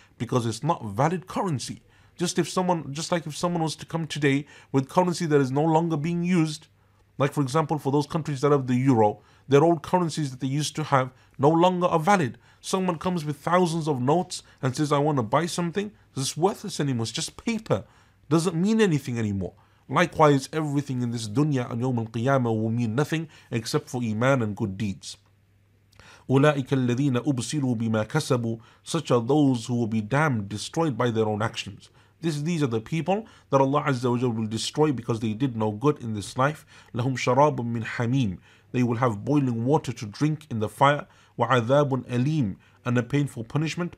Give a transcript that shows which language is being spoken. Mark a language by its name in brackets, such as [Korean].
[English] Because it's not valid currency. Just like if someone was to come today with currency that is no longer being used, like for example for those countries that have the euro, their old currencies that they used to have no longer are valid. Someone comes with thousands of notes and says, I want to buy something. It's worthless anymore. It's just paper. Doesn't mean anything anymore. Likewise, everything in this dunya and Yawm al-Qiyamah will mean nothing except for Iman and good deeds. [Arabic] أُولَٰئِكَ الَّذِينَ أُبْصِرُوا بِمَا كَسَبُوا. [English] Such are those who will be damned, destroyed by their own actions. These are the people that Allah Azza wa Jalla will destroy because they did no good in this life. [Arabic] لَهُمْ شَرَابٌ مِّنْ حَمِيمٍ. [English] They will have boiling water to drink in the fire. [Arabic] وَعَذَابٌ أَلِيمٌ. [English] And a painful punishment.